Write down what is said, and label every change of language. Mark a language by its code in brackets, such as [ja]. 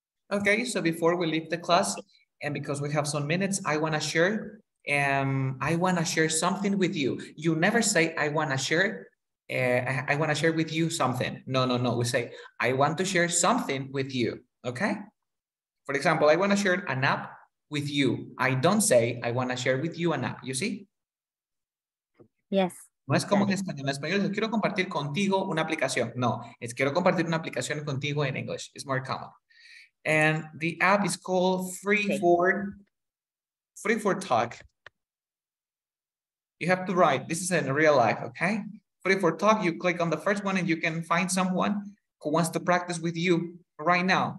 [en] Okay, so before we leave the class, and because we have some minutes, I wanna share something with you. You never say, I wanna share with you something. No, we say, I want to share something with you, okay? For example, I wanna share an app with you. I don't say, I wanna share with you an app, you see? Yes. [es] No es como que en español, quiero compartir contigo una aplicación. No, es quiero compartir una aplicación contigo en [en] English. It's more common. And the app is called Free for Talk. You have to write, this is in real life, okay? Free for Talk, you click on the first one and you can find someone who wants to practice with you right now.